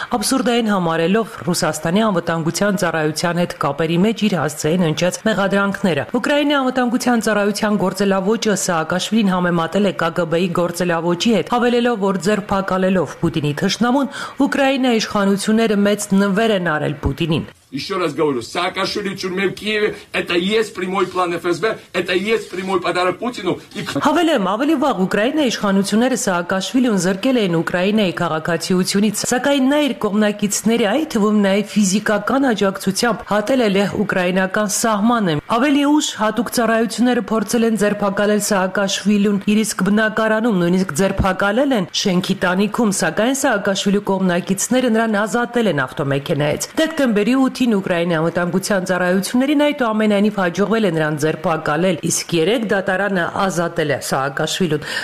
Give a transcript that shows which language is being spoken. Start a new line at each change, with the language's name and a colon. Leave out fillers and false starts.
Armenian: աբսուրդային համարելով Ռուսաստանի անվտանգության ծառայության հետ կապերի մեջ իր հասցեին ընչած մեղադրանքները։ Ուկրաինայի անվտանգության ծառայության գործելավոճը Սաակաշվիլին համեմատել է ԿԳԲ-ի գործելավոճի հետ, հավելելով, որ ձերբակալելով Պուտինի թշնամուն, Ուկրաինայի իշխանությունները մեծ նվեր են արել Պուտինին։
Russian: Еще раз говорю, Саакашвили тюрьме в Киеве, это есть прямой план ФСБ, это есть прямой подарок Путину.
Armenian: Հավելեմ, ավելի վաղ Ուկրաինայի իշխանությունները Սաակաշվիլին զրկել էին Ուկրաինայի քաղաքացիությունից, սակայն նա իր կողմնակիցների, այդ թվում նաև ֆիզիկական աջակցությամբ հատել է ուկրաինական սահմանը։ Ավելի ուշ հատուկ ծառայությունները փորձել են ձերբակալել Սաակաշվիլին իր իսկ բնակարանում, նույնիսկ ձերբակալել են շենքի տանիքում, սակայն Սաակաշվիլի կողմնակիցները նրան ազատել են ավտոմեքենայից։ Դեկտեմբերի 8-ին Ուկրաինայի անվտանգության ծառայություններին այդուամենայնիվ հաջողվել է նրան ձերբակալել, իսկ 3 դատարանը ազատել է Սաակաշվիլին։